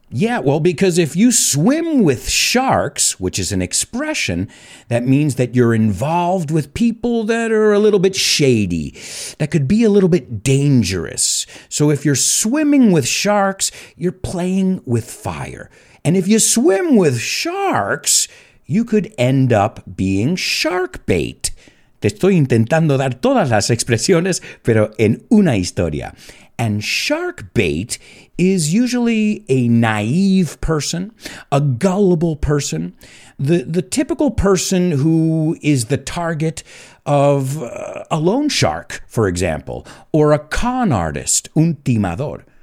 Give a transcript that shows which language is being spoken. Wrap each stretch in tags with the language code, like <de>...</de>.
<en>Yeah, well, because if you swim with sharks, which is an expression, that means that you're involved with people that are a little bit shady, that could be a little bit dangerous. So if you're swimming with sharks, you're playing with fire. And if you swim with sharks, you could end up being shark bait.</en> <es>Te estoy intentando dar todas las expresiones, pero en una historia.</es> <en>And shark bait is usually a naive person, a gullible person, the typical person who is the target of a loan shark, for example, or a con artist,</en> <es>un timador.</es>